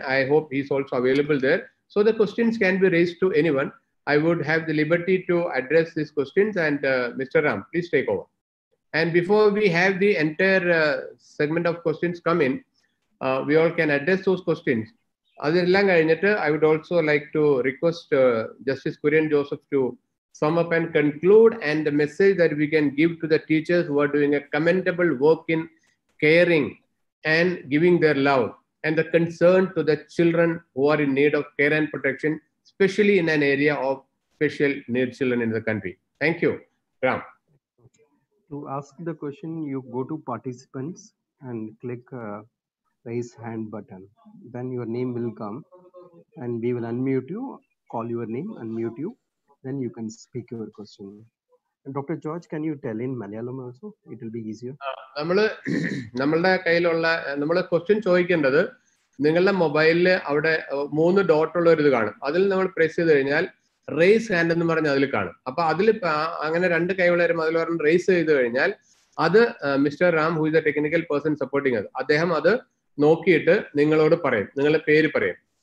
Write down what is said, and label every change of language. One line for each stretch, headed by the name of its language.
English: I hope he's also available there. So the questions can be raised to anyone. I would have the liberty to address these questions, and Mr. Ram, please take over. And before we have the entire segment of questions come in, we all can address those questions.
Malayalam: അതെല്ലാം കഴിഞ്ഞിട്ട്
English: I would also like to request Justice Kurian Joseph to sum up and conclude and the message that we can give to the teachers who are doing a commendable work in caring and giving their love and the concern to the children who are in need of care and protection specially in an area of special need children in the country. Thank you Ram. To ask the question you go to participants and click raise hand button, then your name will come and we will unmute you, call your name, unmute you, then you can speak your question. And Dr. George, can you tell in Malayalam also? It will be easier.
Malayalam: നമ്മള് നമ്മളുടെ കയ്യിലുള്ള നമ്മളെ question ചോദിക്കേണ്ടത് നിങ്ങളുടെ മൊബൈലില് അവിടെ മൂന്ന് dot ഉള്ള ഒരു ഇത് കാണും, അതിൽ നമ്മൾ പ്രസ് ചെയ്ത് കഴിഞ്ഞാൽ റേസ് ഹാൻഡ് എന്ന് പറഞ്ഞ് അതിൽ കാണും. അപ്പൊ അതിൽ അങ്ങനെ രണ്ട് കൈകളും അതിൽ പറഞ്ഞ് റേസ് ചെയ്ത് കഴിഞ്ഞാൽ അത് mister Ram,
English: who is a technical person supporting,
Malayalam: അദ്ദേഹം അത് നോക്കിയിട്ട് നിങ്ങളോട് പറയും, നിങ്ങളെ പേര് പറയും.